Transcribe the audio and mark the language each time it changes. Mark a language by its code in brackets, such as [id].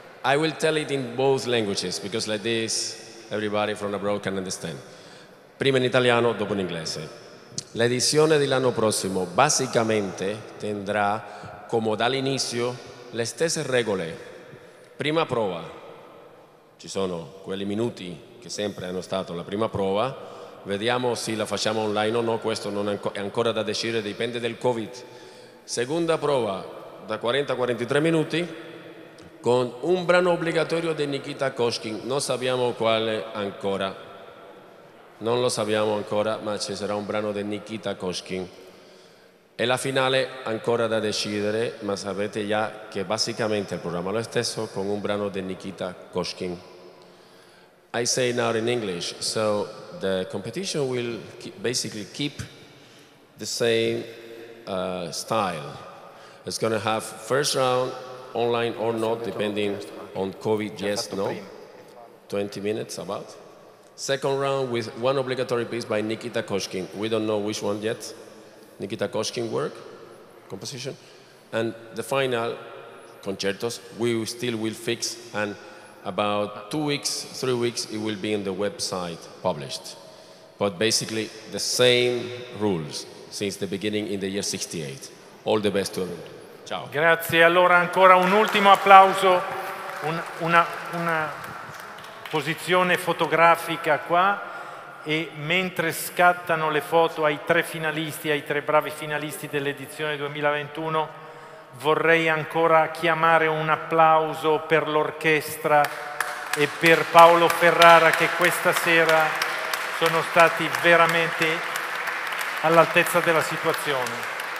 [en] I will tell it in both languages, because like this, everybody from abroad can understand. [it] Prima in italiano, dopo in inglese. L'edizione dell'anno prossimo basicamente tendrà, come dall'inizio, le stesse regole. Prima prova, ci sono quelli minuti che sempre hanno stato la prima prova, vediamo se la facciamo online o no, questo non è ancora da decidere, dipende dal Covid. Seconda prova, da 40 a 43 minuti, con un brano obbligatorio di Nikita Koskin, non sappiamo quale ancora. Non lo sappiamo ancora, ma ci sarà un brano di Nikita Koskin. E la finale ancora da decidere, ma sapete già che basicamente il programma è lo stesso con un brano di Nikita Koskin. [en] I say now in English, so the competition will basically keep the same style. It's going to have first round, online or not, depending on COVID, yes, no, 20 minutes about. Second round with one obligatory piece by Nikita Koskin. We don't know which one yet. Nikita Koskin work, composition. And the final concertos, we still will fix, and about 2 weeks, 3 weeks, it will be on the website published. But basically the same rules since the beginning in the year 68. All the best to everyone. Ciao. [it] Grazie. Allora ancora un ultimo applauso. Una posizione fotografica qua, e mentre scattano le foto ai tre finalisti, ai tre bravi finalisti dell'edizione 2021, vorrei ancora chiamare un applauso per l'orchestra e per Paolo Ferrara, che questa sera sono stati veramente all'altezza della situazione.